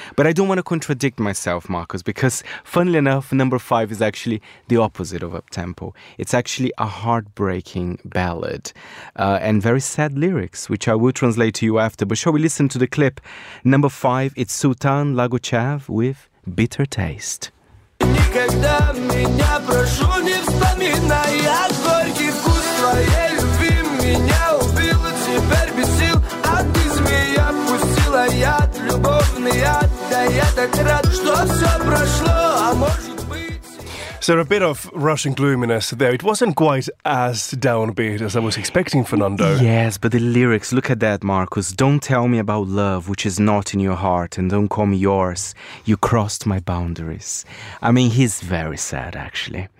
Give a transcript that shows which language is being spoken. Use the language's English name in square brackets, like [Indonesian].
[English] But I don't want to contradict myself, Marcus, because funnily enough, number five is actually the opposite of up-tempo. It's actually a heartbreaking ballad and very sad lyrics, which I will translate to you after. But shall we listen to the clip? Number five, it's Sultan Lagochev with Bitter Taste. [Russian] Никогда меня прошу, не вспоминай, я горький вкус твоей любви меня убил, теперь без сил, а ты змея пустила яд, любовный яд, да я так рад, что все прошло, а может. [English] So a bit of Russian gloominess there. It wasn't quite as downbeat as I was expecting, Fernando. Yes, but the lyrics, look at that, Marcus. Don't tell me about love, which is not in your heart, and don't call me yours. You crossed my boundaries. I mean, he's very sad, actually.